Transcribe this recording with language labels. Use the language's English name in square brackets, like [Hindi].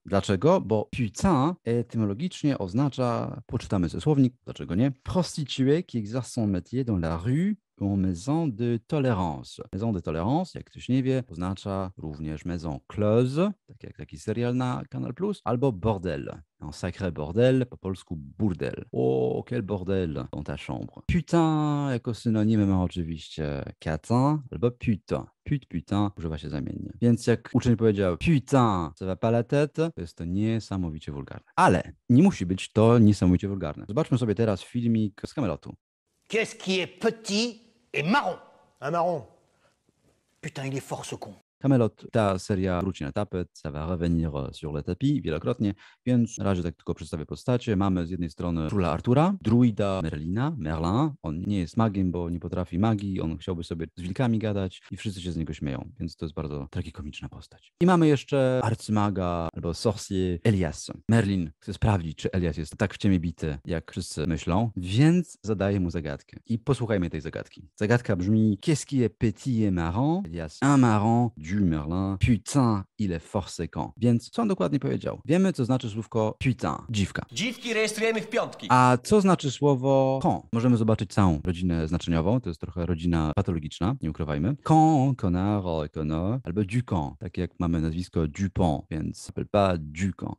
[Polish] Dlaczego? Bo putain etymologicznie oznacza, poczytamy ze słownik, dlaczego nie, [French] prostituée qui exerce son métier dans la rue ou en maison de tolérance. [Polish] Maison de tolérance, jak ktoś nie wie, oznacza również maison close, tak jak taki serial na Canal+, albo bordel. [French] Un sacré bordel, [Polish] po polsku burdel. [French] Oh, quel bordel dans ta chambre. [Polish] Putain, jako synonimy ma oczywiście catin, albo putain. Putain, używa się zamiennie. Więc jak uczeń powiedział putain, [French] ça va pas la tête, [Polish] to jest to niesamowicie wulgarne. Ale nie musi być to niesamowicie wulgarne. Zobaczmy sobie teraz filmik z Kamelotu. [French] Qu'est-ce qui est petit et marron? Un marron. Putain, il est fort ce con. [Polish] Kamelot, ta seria wróci na tapet, [French] ça va revenir sur le tapis [Polish] wielokrotnie, więc na razie tak tylko przedstawię postacie. Mamy z jednej strony króla Artura, druida Merlina, Merlin, on nie jest magiem, bo nie potrafi magii, on chciałby sobie z wilkami gadać i wszyscy się z niego śmieją, więc to jest bardzo tragikomiczna postać. I mamy jeszcze arcymaga albo sorcier Elias. Merlin chce sprawdzić, czy Elias jest tak w ciemię bity, jak wszyscy myślą, więc zadaje mu zagadkę. I posłuchajmy tej zagadki. Zagadka brzmi, [French] qu'est-ce qui est petit et marron? Elias, un marron du Merlin, putain, il est fort séquent. [Polish] Więc co on dokładnie powiedział? Wiemy, co znaczy słówko putain, dziwka. Dziwki rejestrujemy w piątki. A co znaczy słowo con? Możemy zobaczyć całą rodzinę znaczeniową, to jest trochę rodzina patologiczna, nie ukrywajmy. Con, connard, connard, albo du con, tak jak mamy nazwisko Dupont, więc [French] s'appelle pas du con.